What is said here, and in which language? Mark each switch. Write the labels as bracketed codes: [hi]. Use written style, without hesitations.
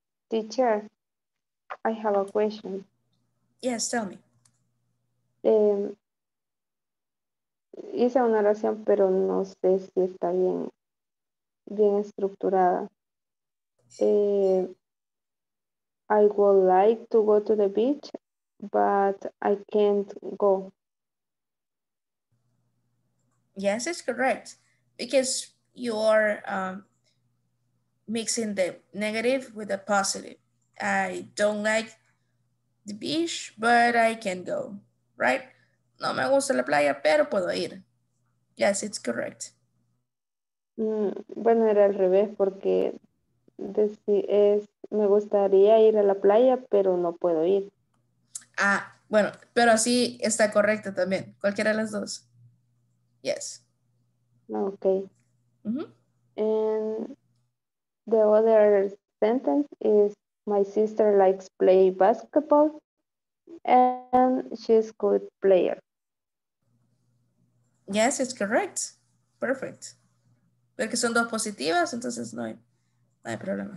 [en] Teacher, I have a question. Yes, tell me. [es] Hice una oración, pero no sé si está bien estructurada. [en] I would like to go to the beach, but I can't go. Yes, it's correct. Because you are mixing the negative with the positive. I don't like the beach, but I can go, right? [es] No me gusta la playa, pero puedo ir. [en] Yes, it's correct. [es] Bueno, era al revés, porque me gustaría ir a la playa, pero no puedo ir. Ah, bueno, pero sí está correcto también. Cualquiera de las dos. Yes. Ok. Mm-hmm. [en] And the other sentence is, my sister likes play basketball and she's a good player. Yes, it's correct. Perfect. [es] Porque son dos positivas, entonces no hay problema.